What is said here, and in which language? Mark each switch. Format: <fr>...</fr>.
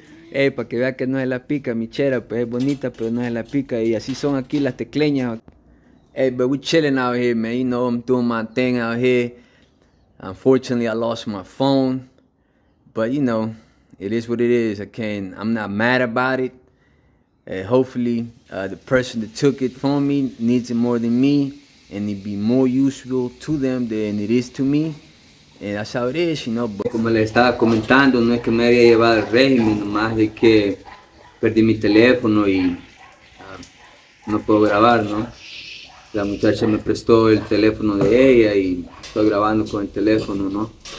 <es>Ey, para que vea que no es la pica, mi chera, pues es bonita, pero no es la pica. Y así son aquí las tecleñas.</es> <en>Ey, but we chilling out here, man. You know I'm doing my thing out here. Unfortunately, I lost my phone. But you know, it is what it is. I'm not mad about it. Hopefully, the person that took it from me needs it more than me, and it'd be more useful to them than it is to me. That's how it is, you know.</en> <es>Como les estaba comentando, no es que me había llevado el régimen, nomás de que perdí mi teléfono y no puedo grabar, ¿no? La muchacha me prestó el teléfono de ella y estoy grabando con el teléfono, ¿no?</es>